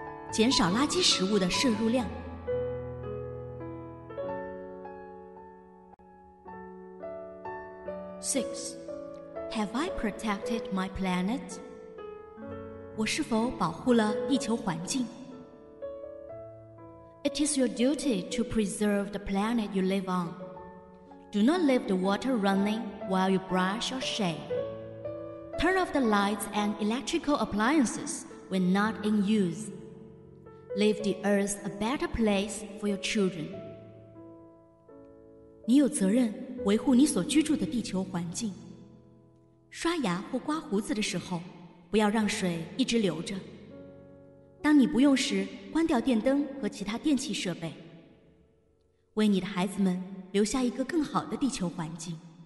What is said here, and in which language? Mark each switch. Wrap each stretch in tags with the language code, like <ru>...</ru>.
<zh>减少垃圾食物的摄入量。</zh> <en>6. Have I protected my planet?</en> <zh>我是否保护了地球环境？</zh> <en>It is your duty to preserve the planet you live on. Do not leave the water running while you brush or shave. Turn off the lights and electrical appliances when not in use. Leave the earth a better place for your children.</en> <zh>你有责任维护你所居住的地球环境。刷牙或刮胡子的时候，不要让水一直流着。当你不用时，关掉电灯和其他电器设备。为你的孩子们留下一个更好的地球环境。</zh>